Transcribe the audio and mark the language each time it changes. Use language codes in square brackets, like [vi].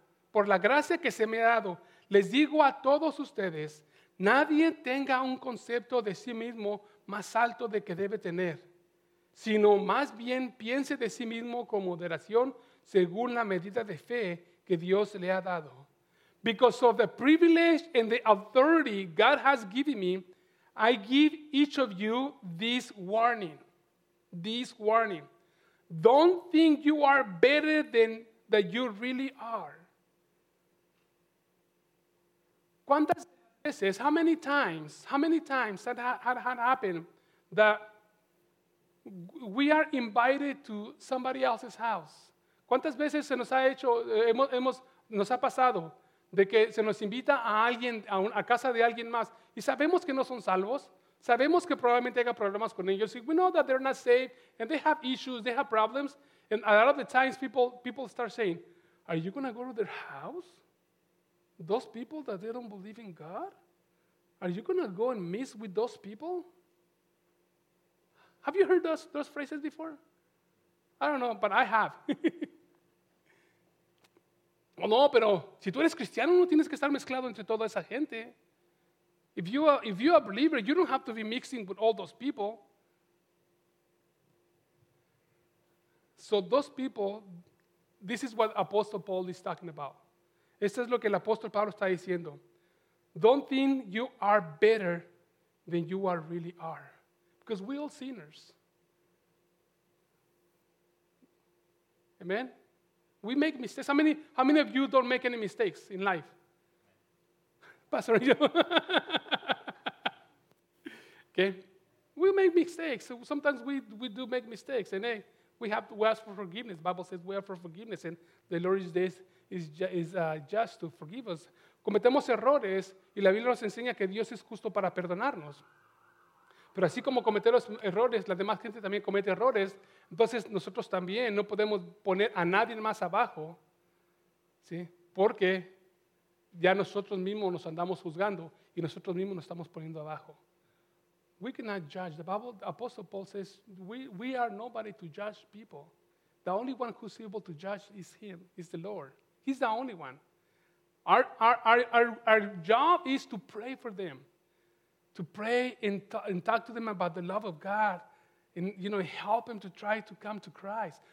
[es] Por la gracia que se me ha dado, les digo a todos ustedes, nadie tenga un concepto de sí mismo más alto de que debe tener, sino más bien piense de sí mismo con moderación según la medida de fe que Dios le ha dado. [en] Because of the privilege and the authority God has given me, I give each of you this warning. This warning. Don't think you are better than that you really are. [es] ¿Cuántas veces, [en] how many times had happened that we are invited to somebody else's house? [es] ¿Cuántas veces se nos ha hecho, nos ha pasado de que se nos invita a alguien, a casa de alguien más y sabemos que no son salvos? Sabemos que probablemente haya problemas con ellos. [en] We know that they're not saved and they have issues, they have problems. And a lot of the times people start saying, are you going to go to their house? Those people that they don't believe in God? Are you going to go and mess with those people? Have you heard those phrases before? I don't know, but I have. [es] No, pero si tú eres cristiano, no tienes que estar mezclado entre toda esa gente. [en] If you are a believer, you don't have to be mixing with all those people. So those people, this is what Apostle Paul is talking about. [es] Esto es lo que el apóstol Pablo está diciendo. [en] Don't think you are better than you are really are. Because we're all sinners. Amen? We make mistakes. How many of you don't make any mistakes in life? Pastor Angel. Okay. We make mistakes. Sometimes we do make mistakes. And hey, we have to ask for forgiveness. The Bible says we ask for forgiveness, and the Lord is just to forgive us. [es] Cometemos errores, y la Biblia nos enseña que Dios es justo para perdonarnos. Pero así como cometemos errores, la demás gente también comete errores, entonces nosotros también no podemos poner a nadie más abajo, ¿sí? Porque ya nosotros mismos nos andamos juzgando y nosotros mismos nos estamos poniendo abajo. [en] We cannot judge. The Bible, the Apostle Paul says, we are nobody to judge people. The only one who's able to judge is him, is the Lord. He's the only one. Our job is to pray for them, to pray and talk to them about the love of God, and, you know, help them to try to come to Christ.